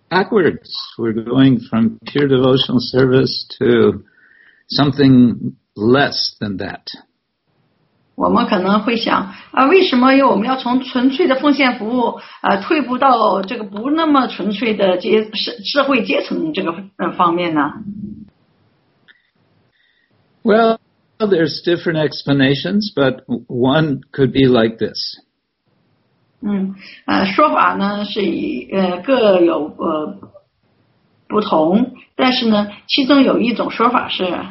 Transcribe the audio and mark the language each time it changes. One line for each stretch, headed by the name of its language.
English: Backwards, we're going from pure devotional service to something less than that.
Chinese: 我们可能会想，为什么又我们要从纯粹的奉献服务，退步到这个不那么纯粹的社会阶层这个方面呢？
English: Well, there's different explanations, but one could be like this.
Chinese: 说法呢是各有不同，但是呢其中有一种说法是